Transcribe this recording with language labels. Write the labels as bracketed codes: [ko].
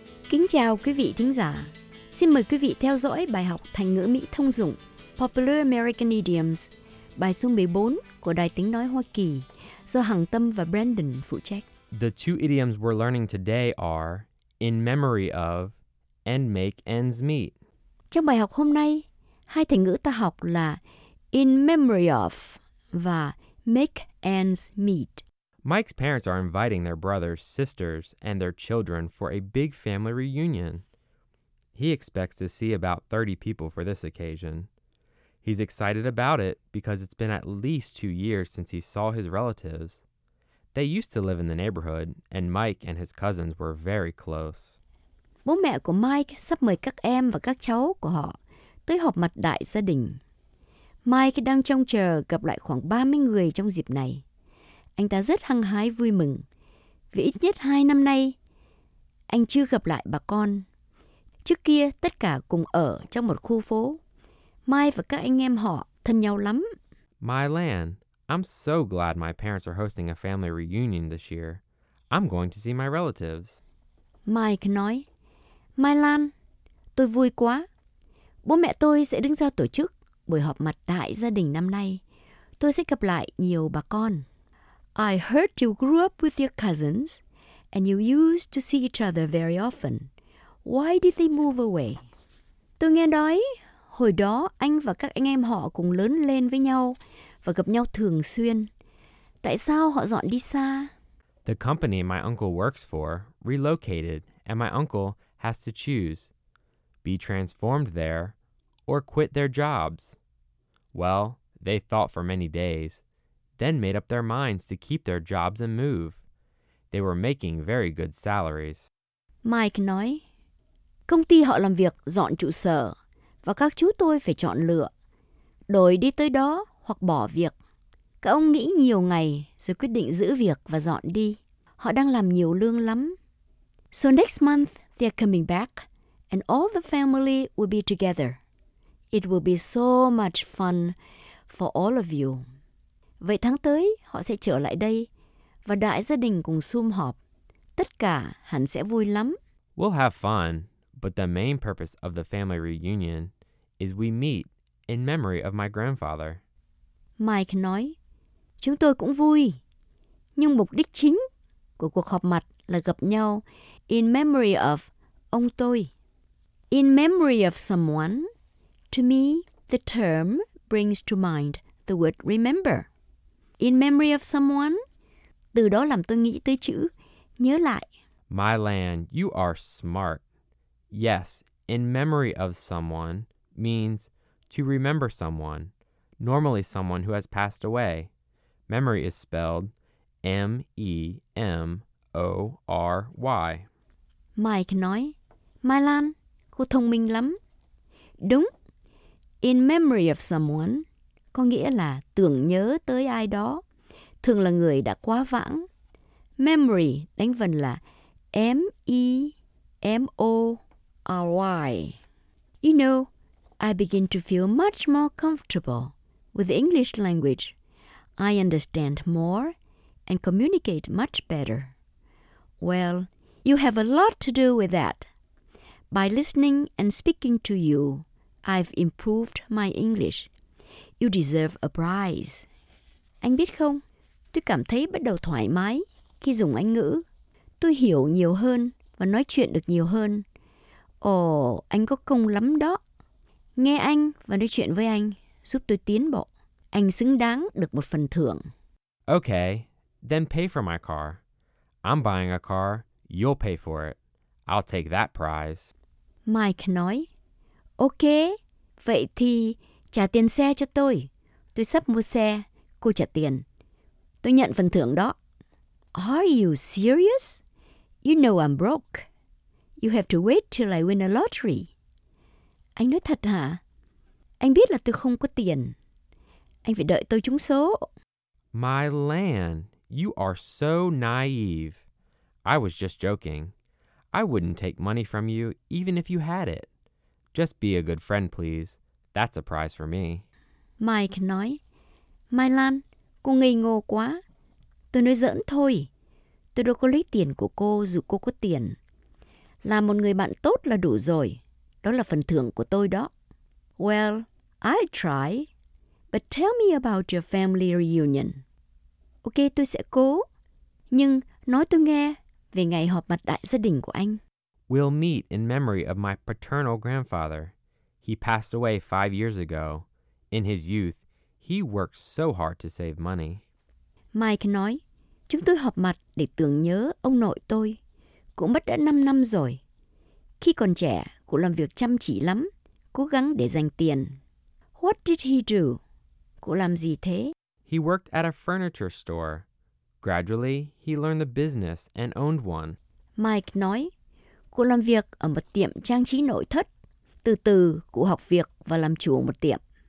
[vi] Kính chào quý vị thính giả. Xin mời quý vị theo dõi bài học thành ngữ Mỹ thông dụng Popular American Idioms, bài số 14 của Đài Tiếng Nói Hoa Kỳ do Hằng Tâm và Brandon phụ trách. [en] The two idioms we're learning today are in memory of and make ends meet. [vi] Trong bài học hôm nay, hai thành ngữ ta học là in memory of và make ends meet. [en] Mike's parents are inviting their brothers, sisters, and their children for a big family reunion. He expects to see about 30 people for this occasion. He's excited about it because it's been at least 2 years since he saw his relatives. They used to live in the neighborhood, and Mike and his cousins were very close. [vi] Bố mẹ của Mike sắp mời các em và các cháu của họ tới họp mặt đại gia đình. Mike đang trông chờ gặp lại khoảng 30 người trong dịp này. Anh ta rất hăng hái vui mừng, vì ít nhất 2 năm nay, anh chưa gặp lại bà con. Trước kia, tất cả cùng ở trong một khu phố. Mai và các anh em họ thân nhau lắm. [en] My land, I'm so glad my parents are hosting a family reunion this year. I'm going to see my relatives. [vi] Mike nói, My Lan, tôi vui quá. Bố mẹ tôi sẽ đứng ra tổ chức buổi họp mặt đại gia đình năm nay. Tôi sẽ gặp lại nhiều bà con. [en] I heard you grew up with your cousins, and you used to see each other very often. Why did they move away? [vi] Tôi nghe nói, hồi đó anh và các anh em họ cùng lớn lên với nhau và gặp nhau thường xuyên. Tại sao họ dọn đi xa? [en] The company my uncle works for relocated, and my uncle has to choose. Be transformed there, or quit their jobs. Well, they thought for many days. Then made up their minds to keep their jobs and move. They were making very good salaries. [vi] Mike nói, Công ty họ làm việc dọn trụ sở, và các chú tôi phải chọn lựa. Đổi đi tới đó hoặc bỏ việc. Các ông nghĩ nhiều ngày rồi quyết định giữ việc và dọn đi. Họ đang làm nhiều lương lắm. [en] So next month they're coming back, and all the family will be together. It will be so much fun for all of you. [vi] Vậy tháng tới, họ sẽ trở lại đây, và đại gia đình cùng sum họp. Tất cả hẳn sẽ vui lắm. [en] We'll have fun, but the main purpose of the family reunion is we meet in memory of my grandfather. [vi] Mike nói, Chúng tôi cũng vui, nhưng mục đích chính của cuộc họp mặt là gặp nhau in memory of ông tôi. [en] In memory of someone, to me, the term brings to mind the word remember. [vi] In memory of someone, từ đó làm tôi nghĩ tới chữ nhớ lại. [en] My land, you are smart. Yes, in memory of someone means to remember someone, normally someone who has passed away. Memory is spelled M-E-M-O-R-Y. [vi] Mike nói, My land, cô thông minh lắm. Đúng, in memory of someone có nghĩa là tưởng nhớ tới ai đó, thường là người đã quá vãng. Memory đánh vần là M-E-M-O-R-Y. [en] You know, I begin to feel much more comfortable with the English language. I understand more and communicate much better. Well, you have a lot to do with that. By listening and speaking to you, I've improved my English. You deserve a prize. [vi] Anh biết không, tôi cảm thấy bắt đầu thoải mái khi dùng Anh ngữ. Tôi hiểu nhiều hơn và nói chuyện được nhiều hơn. Ồ, anh có công lắm đó. Nghe anh và nói chuyện với anh giúp tôi tiến bộ. Anh xứng đáng được một phần thưởng. [en] Okay, then pay for my car. I'm buying a car, you'll pay for it. I'll take that prize. [vi] Mike nói, OK, vậy thì trả tiền xe cho tôi. Tôi sắp mua xe, cô trả tiền. Tôi nhận phần thưởng đó. [en] Are you serious? You know I'm broke. You have to wait till I win a lottery. [vi] Anh nói thật hả? Anh biết là tôi không có tiền. Anh phải đợi tôi trúng số. [en] My land, you are so naive. I was just joking. I wouldn't take money from you, even if you had it. Just be a good friend, please. That's a prize for me. [vi] Mike nói, My Lan, cô ngây ngô quá. Tôi nói giỡn thôi. Tôi đâu có lấy tiền của cô dù cô có tiền. Làm một người bạn tốt là đủ rồi. Đó là phần thưởng của tôi đó. [en] Well, I try. But tell me about your family reunion. [vi] OK, tôi sẽ cố. Nhưng nói tôi nghe về ngày họp mặt đại gia đình của anh. [en] We'll meet in memory of my paternal grandfather. He passed away 5 years ago. In his youth, he worked so hard to save money. [vi] Mike nói, chúng tôi họp mặt để tưởng nhớ ông nội tôi. Cũng mất đã 5 năm rồi. Khi còn trẻ, cụ làm việc chăm chỉ lắm, cố gắng để dành tiền. [en] What did he do? [vi] Cụ làm gì thế? [en] He worked at a furniture store. Gradually, he learned the business and owned one. [vi] Mike nói, cụ làm việc ở một tiệm trang trí nội thất. Từ từ, cụ học việc và làm chủ một tiệm.